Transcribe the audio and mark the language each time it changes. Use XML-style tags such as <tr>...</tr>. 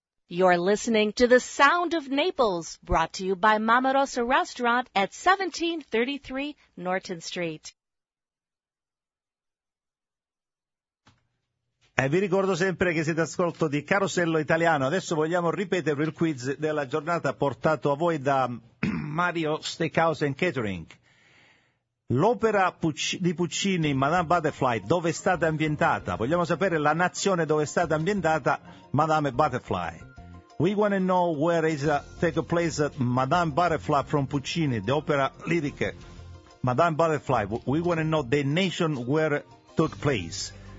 <en>You're listening to The Sound of Naples, brought to you by Mama Rosa Restaurant at 1733 Norton Street.</en> <it>E vi ricordo sempre che siete ascolto di Carosello Italiano. Adesso vogliamo ripetere il quiz della giornata portato a voi da Mario Steakhouse and Catering. L'opera di Puccini, Madame Butterfly, dove è stata ambientata? Vogliamo sapere la nazione dove è stata ambientata Madame Butterfly.</it> <en>We want to know where is take a place Madame Butterfly from Puccini, the opera lyrica Madame Butterfly. We want to know the nation where it took place.</en>